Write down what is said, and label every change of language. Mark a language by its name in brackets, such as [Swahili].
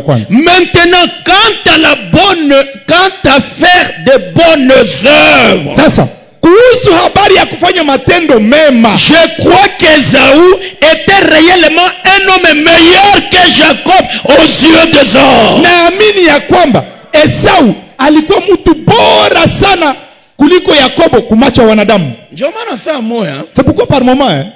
[French] Maintenant, quant à faire de bonnes œuvres. C'est ça. [Swahili] Kuhusu habari ya kufanya matendo mema. [French] Je crois que Esaü était réellement un homme meilleur que Jacob aux yeux des hommes. [Swahili] Naamini ya kwamba Esaü alikuwa mtu bora sana kuliko Yakobo kumacho wanadamu. Ndio maana saa moja. Sipokuwa [French] par moment [Swahili] eh.